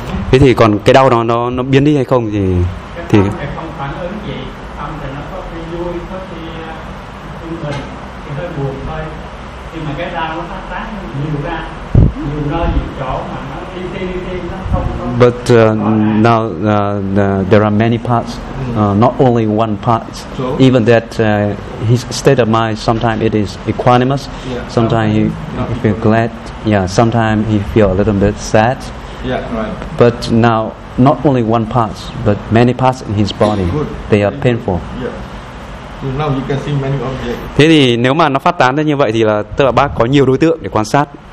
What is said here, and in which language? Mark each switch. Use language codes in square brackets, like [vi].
[vi] Thế thì còn cái đau đó nó biến đi hay không thì không phản ứng gì, tâm thì nó có khi vui, có khi vui mừng, thì hơi buồn thôi. Nhưng mà cái đau nó phát tán nhiều ra, nhiều nơi, nhiều chỗ mà nó đi, nó không có. [en] But now there are many parts, not only one part. So? Even that his state of mind, sometimes it is equanimous, yeah. Sometimes he feel glad, yeah. Sometimes he feel a little bit sad. Yeah, right. But now not only one part, but many parts in his body, they are painful. Yeah. So now you can see many objects. [vi] Thế thì nếu mà nó phát tán ra như vậy thì là tức là bác có nhiều đối tượng để quan sát.